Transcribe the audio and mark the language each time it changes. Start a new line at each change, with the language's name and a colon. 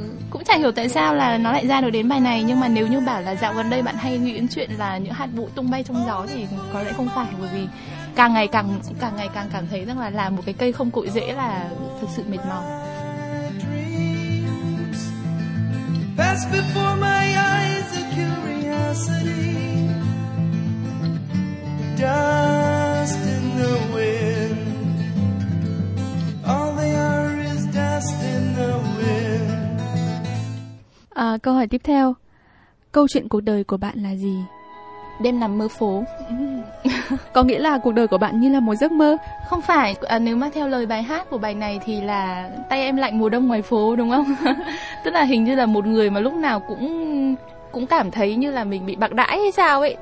Vietnamese: Cũng chả hiểu tại sao là nó lại ra được đến bài này. Nhưng mà nếu như bảo là dạo gần đây bạn hay nghĩ đến chuyện là những hạt bụi tung bay trong gió thì có lẽ không phải, bởi vì càng ngày càng cảm thấy rằng là làm một cái cây không cội dễ là thật sự mệt mỏi.
English: Pass before my eyes a curiosity, dust in the wind. All they are is dust in the wind.
Vietnamese: À, câu hỏi tiếp theo. Câu chuyện cuộc đời của bạn là gì? Đêm nằm mơ phố. Có nghĩa là cuộc đời của bạn như là một giấc mơ? Không phải, nếu mà theo lời bài hát của bài này thì là tay em lạnh mùa đông ngoài phố, đúng không? Tức là hình như là một người mà lúc nào cũng cảm thấy như là mình bị bạc đãi hay sao ấy.